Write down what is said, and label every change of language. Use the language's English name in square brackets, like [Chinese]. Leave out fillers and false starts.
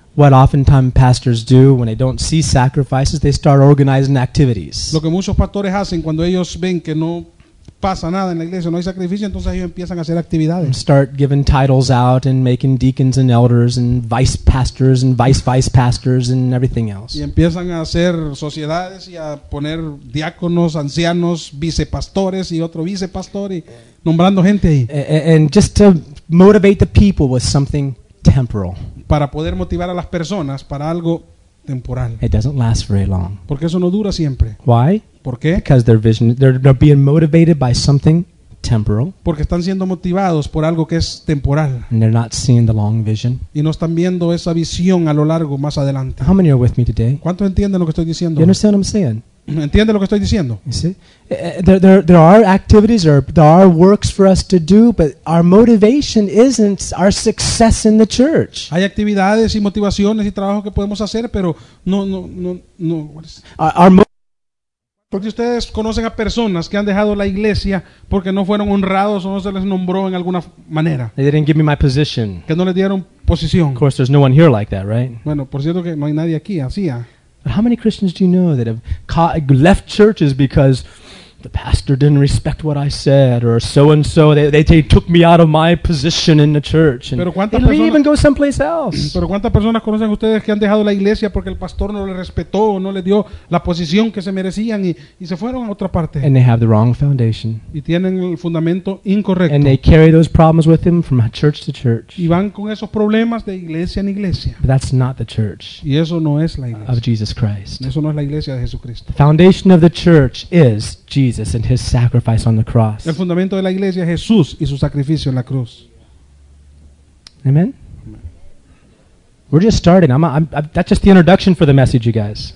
[English] What oftentimes pastors do when they don't see sacrifices, they start organizing activities. [Spanish] Lo que muchos pastores hacen cuando ellos ven que no pasa nada en la iglesia, no hay sacrificio, entonces ellos empiezan a hacer actividades. [English] And start giving titles out and making deacons and elders and vice pastors and vice pastors and everything else. [Spanish] Y empiezan a hacer sociedades y a poner diáconos, ancianos, vicepastores y otro vicepastor y nombrando gente ahí. [English] And just to motivate the people with something temporal. [Spanish] Para poder motivar a las personas para algo temporal. [English] It doesn't last very long. [Spanish] Porque eso no dura siempre. [English] Why? [Spanish] ¿Por qué? [English] Because their vision, they're being motivated by something temporal. [Spanish] Porque están siendo motivados por algo que es temporal. [English] And they're not seeing the long vision. [Spanish] Y no están viendo esa visión a lo largo más adelante. [English] How many are with me today? [Spanish] ¿Cuántos entienden lo que estoy diciendo? [English] You understand what I'm saying? [Spanish] ¿Entiende lo que estoy diciendo? [English] There are activities or there are works for us to do, but our motivation isn't our success in the church. [Spanish] Hay actividades y motivaciones y trabajos que podemos hacer, pero no. Porque ustedes conocen a personas que han dejado la iglesia porque no fueron honrados o no se les nombró en alguna manera. [English] They didn't give me my position. [Spanish] Que no les dieron posición. [English] Of course, there's no one here like that, right? [Spanish] Bueno, por cierto que no hay nadie aquí así. [English] But how many Christians do you know that have left churches because the pastor didn't respect what I said, or so and so, they took me out of my position in the church, and they leave and go someplace else. [Spanish] Pero cuántas personas conocen ustedes que han dejado la iglesia porque el pastor no le respetó o no le dio la posición que se merecían y se fueron a otra parte. [English] And they have the wrong foundation. [Spanish] Y tienen el fundamento incorrecto. [English] And they carry those problems with them from church to church. [Spanish] Y van con esos problemas de iglesia en iglesia. [English] But that's not the church. [Spanish] Y eso no es la iglesia. [English] Of Jesus Christ. [Spanish] Eso no es la iglesia de Jesucristo. [English] The foundation of the church is Jesus and his sacrifice on the cross. [Spanish] El fundamento de la iglesia es Jesús y su sacrificio en la cruz. [English] Amen. We're just starting. That's just the introduction for the message, you guys.